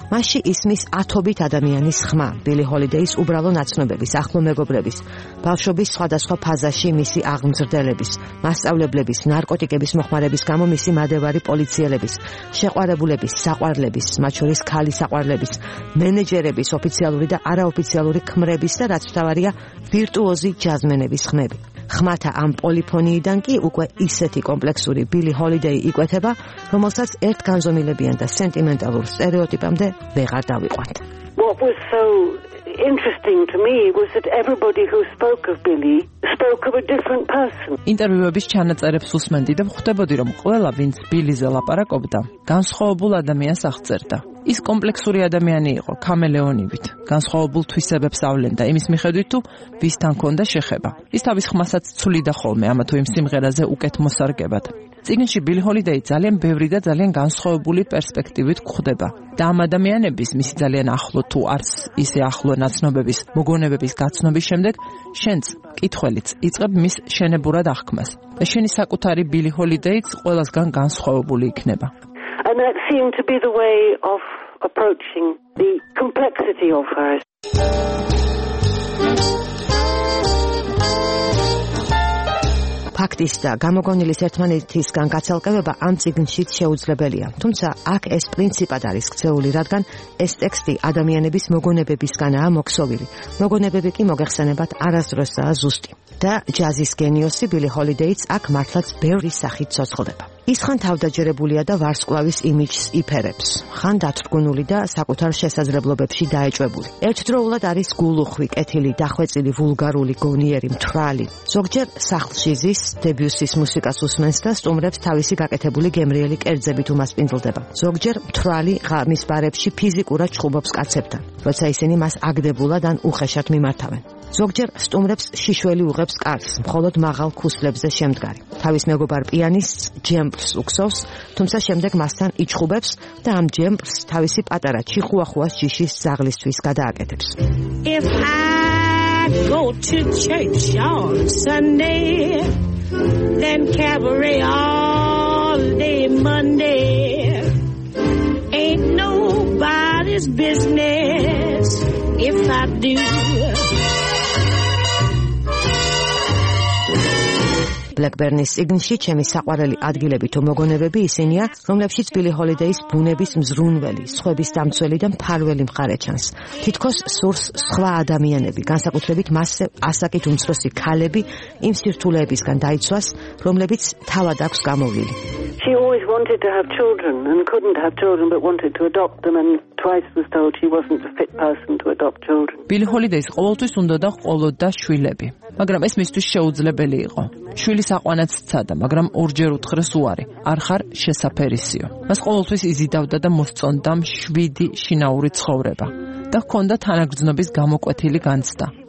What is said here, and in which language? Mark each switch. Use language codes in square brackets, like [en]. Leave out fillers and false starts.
[ka] მასში ისმის ათობით ადამიანის ხმა, ბილი ჰოლიდეის უბრალო ნაცნობების, ახლო მეგობრების, ბავშვობის სხვადასხვა ფაზაში მისი აღმზრდელების, მასწავლებლების, ნარკოტიკების მოხმარების გამო მისი მადევარი პოლიციელების, შეყვარებულების, საყვარლების, მათ შორის ქალის საყვარლების, მენეჯერების ოფიციალური და არაოფიციალური ქმრების და რაც თავარია ვირტუოზი ჯაზმენების ხმები. ხმათა ამ პოლიფონიიდან კი უკვე ისეთი კომპლექსური ბილი ჰოლიდეი იკვეთება, რომელსაც ერთ განზომილებიან და სენტიმენტალურ სტერეოტიპამდე ვეღარ დავიყვათ. [en] What was so interesting to me was that everybody who spoke of Billy spoke of a different person. [ka] ინტერვიუების ჩანაწერებს უსმენდი და ხვდებოდი, რომ ყველა, ვინც ბილიზე ლაპარაკობდა, განსხვავებულ ადამიანს აღწერდა. ის კომპლექსური ადამიანი იყო, ქამელეონივით. განსხვავებულ თვისებებს ავლენდა იმის მიხედვით, თუ ვისთან ჰქონდა შეხება. ის თავის ხმასაც ცვლიდა ხოლმე, ამა თუ იმ სიმღერაზე უკეთ მოსარგებად. წიგნში ბილი ჰოლიდეი ძალიან ბევრი და ძალიან განსხვავებული პერსპექტივით გვხვდება. და ამ ადამიანების, მისი ძალიან ახლო თუ არც ისე ახლო ნაცნობების მოგონებების გაცნობის შემდეგ, შენც კითხველიც იწყებ მის შენებურად აღქმას. და შენი საკუთარი ბილი ჰოლიდეიც ყველასგან განსხვავებული იქნება. [en] And that seemed to be the way of approaching the complexity of her. [ka] ფაქტის და გამოგონილის ერთმანეთისგან გაცალკევება ამ წიგნშიც შეუძლებელია. თუმცა აქ ეს პრინციპად არის ქცეული, რადგან ეს ტექსტი ადამიანების მოგონებებისგანაა მოქსოვილი. მოგონებები კი მოგეხსენებათ არასდროსაა ზუსტი. და ჯაზის გენიოსი ბილი ჰოლიდეიც აქ მართლაც ბევრი სახით ცოცხლდება. ის ხან თავდაჯერებულია და ვარსკვლავის იმიჯს იფერებს, ხან დათრგუნული და საკუთარ შესაძლებლობებში დაეჭვებული. ერთდროულად არის გულუხვი, კეთილი, დახვეწილი, ვულგარული, გონიერი, მთვრალი. ზოგჯერ სახლში ზის, დებიუსის მუსიკას უსმენს და სტუმრებს თავისი გაკეთებული გემრიელი კერძებით უმასპინძლდება. ზოგჯერ მთვრალი ღამის ბარებში ფიზიკურად ჩხუბობს კაცებთან, როცა ისინი მას აგდებულად ან უხეშად მიმართავენ. ზოგჯერ სტუმრებს შიშველი უღებს კარს, მხოლოდ მაღალ ქუსლებზე შემდგარი. თავის მეგობარ პიანისტს ჯემპს უქსოვს, თუმცა შემდეგ მასთან იჩხუბებს და ამ ჯემპს თავისი პატარა ჩიხუახუას ჯიშის ზაღლისთვის გადააკეთებს. [en] If I go to church on Sunday, then cabaret all day Monday. Ain't nobody's business if I do. [ka] Blackburnის სიგნში ჩემი საყვარელი ადგილები თუ მოგონებები ისინია, რომლებშიც ბილი ჰოლიდეის ბუნების მზრუნველი, სხვების დამცველი და მფარველი მხარე ჩანს. თითქოს სურს სხვა ადამიანები, განსაკუთრებით მასზე ასაკით უმცროსი ქალები, იმ სირთულეებისგან დაიცვას, რომლებიც თავად აქვს გამოვლილი. [en] She always wanted to have children and couldn't have children but wanted to adopt them and twice was told she wasn't a fit person to adopt children. [ka] ბილი ჰოლიდეის ყოველთვის უნდა და ყოლოდა შვილები, მაგრამ ეს მისთვის შეუძლებელი იყო. შვილის აყვანაც ცადა, მაგრამ ორჯერ უთხრეს უარი. არ ხარ შესაფერისიო. მას ყოველთვის იზიდავდა და მოსწონდა შვიდი შინაური ცხოვრება და ჰქონდა თანაგრძნობის გამოკვეთილი განცდა.